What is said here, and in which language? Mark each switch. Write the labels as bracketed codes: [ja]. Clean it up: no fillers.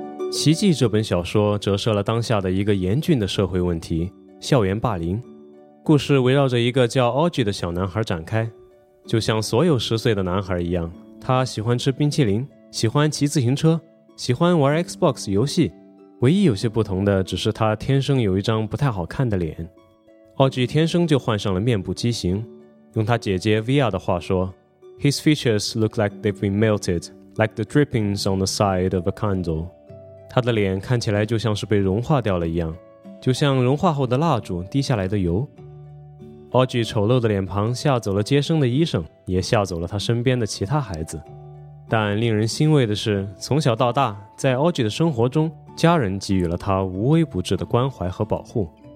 [zh] 奇迹这本小说折射了当下的一个严峻的社会问题，校园霸凌。故事围绕着一个叫 Augie 的小男孩展开，就像所有十岁的男孩一样，他喜欢吃冰淇淋，喜欢骑自行车，喜欢玩 Xbox 游戏，唯一有些不同的只是他天生有一张不太好看的脸。 Augie 天生就患上了面部畸形，用他姐姐 Via 的话说， [en] His features look like they've been melted, like the drippings on the side of a candle。 [zh] 他的脸看起来就像是被融化掉了一样，就像融化后的蜡烛滴下来的油。 Augie 丑陋的脸庞吓走了接生的医生，也吓走了他身边的其他孩子。但令人欣慰的是，从小到大，在 Augie 的生活中，家人给予了他无微不至的关怀和保护。